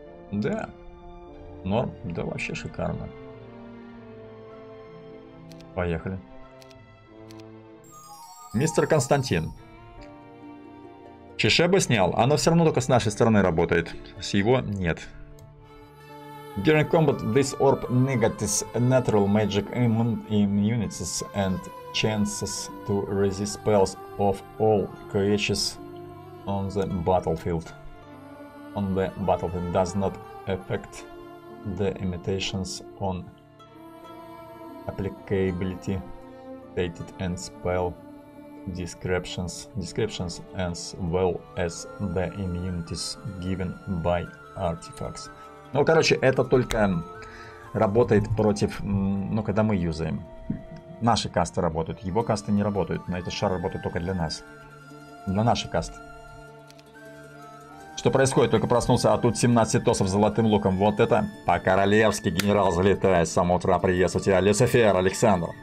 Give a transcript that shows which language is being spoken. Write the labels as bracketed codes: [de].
[ru] Да. Норм. Да вообще шикарно. Поехали. Мистер Константин. Чешебо снял. Оно все равно только с нашей стороны работает. С его нет. [en] During combat, this orb negates natural magic immunities and chances to resist spells of all creatures on the battlefield. on the battlefield does not affect the limitations on applicability, stated and spell descriptions, descriptions as well as the immunities given by artifacts. [ru] Ну, короче, это только работает против, ну, когда мы юзаем. Наши касты работают, его касты не работают, но этот шар работает только для нас. Для наших каст. Что происходит? Только проснулся, а тут 17 тосов с золотым луком. Вот это по-королевски генерал залетает. С самого утра приезд у тебя, Люцифер, Александр.